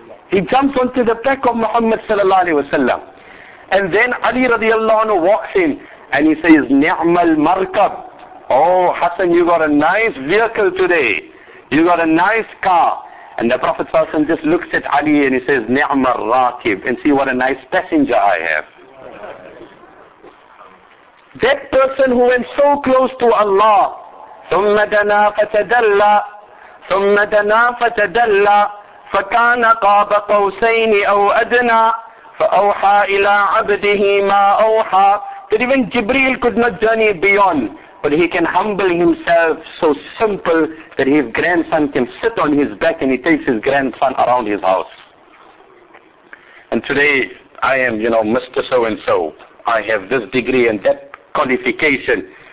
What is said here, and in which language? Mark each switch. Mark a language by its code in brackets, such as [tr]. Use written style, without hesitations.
[en] He jumps onto the back of Muhammad sallallahu alayhi wasallam. And then Ali radiallahu anhu walks in and he says, Ni'mal Markab. Oh Hassan, you got a nice vehicle today. You got a nice car. And the Prophet sallallahu alayhi wasallam just looks at Ali and he says, Ni'mal Rakib. And see what a nice passenger I have. [ar] That person who went so close to Allah, ثُمَّ دَنَا فَتَدَلَّى ثُمَّ دَنَا فَتَدَلَّى فَكَانَ قَابَ قَوْسَيْنِ أَوْ أَدْنَى فَأَوْحَى إِلَىٰ عَبْدِهِ مَا أَوْحَى. [en] That even Jibreel could not journey beyond, but he can humble himself so simple that his grandson can sit on his back and he takes his grandson around his house. And today I am, you know, Mr. So-and-so. I have this degree and that qualification.